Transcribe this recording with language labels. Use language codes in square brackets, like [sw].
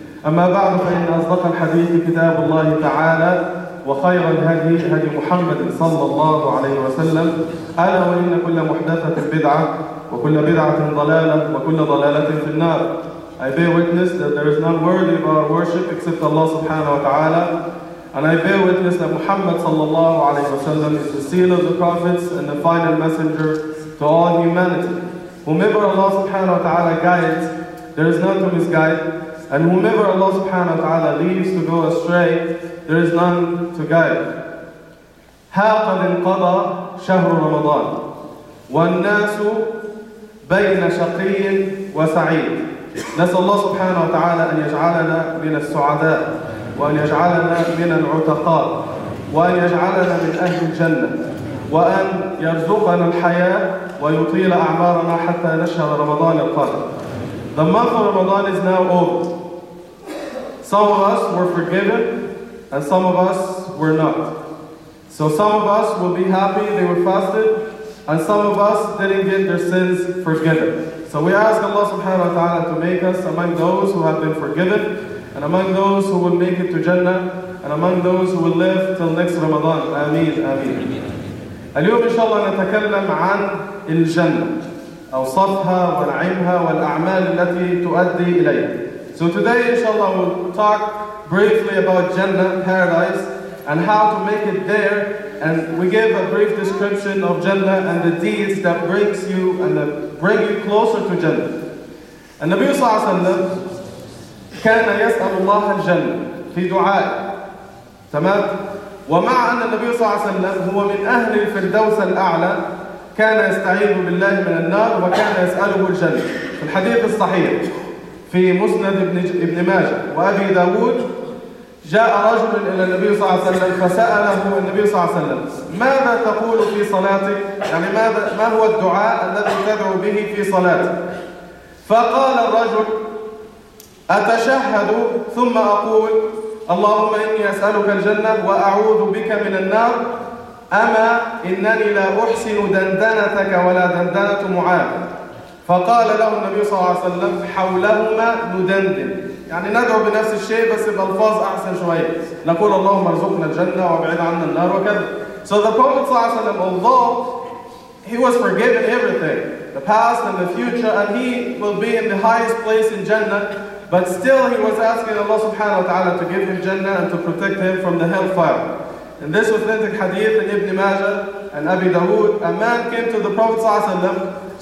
[ar] أما بعد فإن أصدق الحديث كتاب الله تعالى وخير الهدي هدي محمد صلى الله عليه وسلم ألا وإن كل محدثة بدعة وكل بدعة ضلالة وكل ضلالة في النار [en] I bear witness that there is none worthy of our worship except Allah subhanahu wa ta'ala. And I bear witness that Muhammad sallallahu alayhi wa sallam is the seal of the prophets and the final messenger to all humanity. Whomever Allah subhanahu wa ta'ala guides, there is none to misguide. And whomever Allah subhanahu wa ta'ala leaves to go astray, there is none to guide. [ar] هَاقَ مِنْ قَضَى شَهْرُ رَمَضَانِ وَالنَّاسُ بَيْنَ شَقِيٍ وَسَعِيدٍ نسأل الله سبحانه وتعالى أن يجعلنا من السعداء وأن يجعلنا من العتقاء وأن يجعلنا من أهل الجنة وأن يرزقنا الحياة ويطيل أعمارنا حتى نشهد رمضان القادم [en] The month of Ramadan is now over. Some of us were forgiven and some of us were not. So some of us will be happy they were fasted and some of us didn't get their sins forgiven. So we ask Allah subhanahu wa ta'ala to make us among those who have been forgiven, and among those who will make it to Jannah, and among those who will live till next Ramadan. Ameen, ameen. [ar] اليوم إن شاء الله نتكلم عن الجنة أوصافها ونعيمها والأعمال التي تؤدي إليها. [en] So today inshallah we'll talk briefly about Jannah, paradise, and how to make it there. And we gave a brief description of Jannah and the deeds that brings you and that bring you closer to Jannah. [ar] And Nabi Sallallahu Alaihi Wasallam كان يسأل الله الجنة في دعاء. تمام؟ ومع أن النبي صلى الله عليه وسلم هو من أهل الفردوس الأعلى كان يستعيذ بالله من النار وكان يسأله الجنة في الحديث الصحيح في مسند ابن ماجه وأبي داود. جاء رجل إلى النبي صلى الله عليه وسلم فسأله النبي صلى الله عليه وسلم ماذا تقول في صلاتك؟ يعني ماذا ما هو الدعاء الذي تدعو به في صلاتك؟ فقال الرجل أتشهد ثم أقول اللهم إني أسألك الجنة وأعوذ بك من النار أما إنني لا أحسن دندنتك ولا دندنة معاذ. فقال له النبي صلى الله عليه وسلم حولهما ندندن، يعني ندعو بنفس الشيء بس بألفاظ أحسن شوية، نقول اللهم ارزقنا الجنة وابعد عنا النار وكذا. [en] So the Prophet صلى الله عليه وسلم, although he was forgiven everything, the past and the future, and he will be in the highest place in Jannah, but still he was asking Allah subhanahu wa ta'ala to give him Jannah and to protect him from the hellfire. In this authentic hadith in Ibn Majah and Abi Dawood, a man came to the Prophet sallallahu alaihi wasallam.